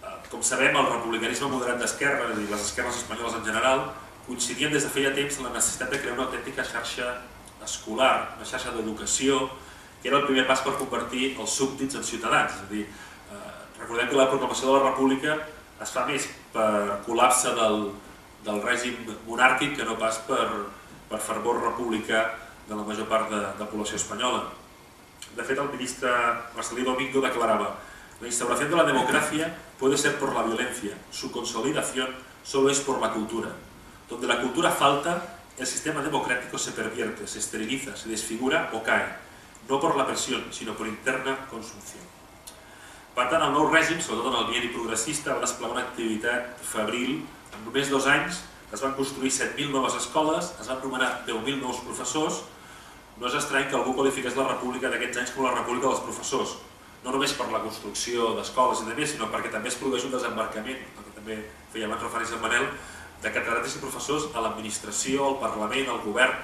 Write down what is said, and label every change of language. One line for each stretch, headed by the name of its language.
Catalan: Com sabem, el republicanisme moderat d'esquerra, és a dir, les esquerres espanyoles en general, coincidien des de feia temps en la necessitat de crear una autèntica xarxa escolar, una xarxa d'educació, que era el primer pas per convertir els súbdits en ciutadans. És a dir, recordem que la proclamació de la República es fa més per col·lapse del règim monàrquic que no pas per fervor republicà de la major part de població espanyola. De fet, el ministre Marcelí Domingo declarava:
Spanish: "La instauración de la democracia puede ser por la violencia, su consolidación solo es por la cultura. Donde la cultura falta, el sistema democrático se pervierte, se esteriliza, se desfigura o cae, no por la presión, sino por interna consumpción".
Catalan: Per tant, el nou règim, sobretot en el bienni progressista, va desplegar una activitat febril. En només dos anys es van construir 7.000 noves escoles, es van nomenar 10.000 nous professors. No és estrany que algú qualifiqués la república d'aquests anys com la república dels professors, no només per la construcció d'escoles i demés, sinó perquè també es produeix un desembarcament, el que també feia abans referència en Manel, de catedràtics i professors a l'administració, al Parlament, al govern.